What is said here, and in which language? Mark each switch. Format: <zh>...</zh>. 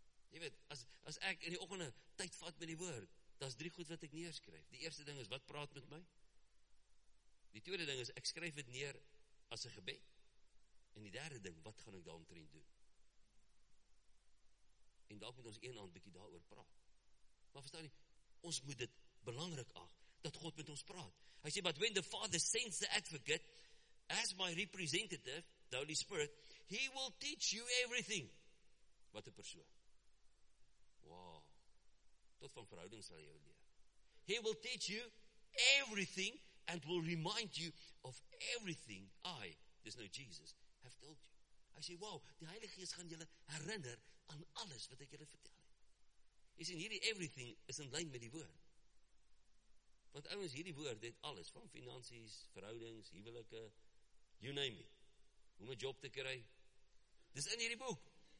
<af>Jy weet, as ek in die oggende tyd vat met die woord, daar's drie goed wat ek neerskryf. Die eerste ding is, wat praat met my? Die tweede ding is, ek skryf dit neer as 'n gebed. En die derde ding, wat gaan ek daaromtrent doen? En dalk moet ons een aand bietjie daaroor praat. Maar verstaan jy, ons moet dit belangrik ag, dat God met ons praat. Hy sê,</af> <en>but when the Father sends the advocate, as my representative, the Holy Spirit, he will teach you everything.</en> <af>Wat 'n persoon.</af> <en>Wow.</en> <af>Tot van verhouding sal hy jou leer.</af> <en>He will teach you everything, and will remind you of everything I, there's no Jesus, have told you.</en> <af>Hy sê, wow, die Heilige Gees gaan julle herinner aan alles wat ek julle vertel het. Jy sê, hierdie everything is in lyn met die woord. Want ouens, hierdie woord het alles, van finansies, verhoudings, huwelike,</af> <en>you name it,</en> <af>hoe om 'n job te kry, dis in hierdie boek.</af>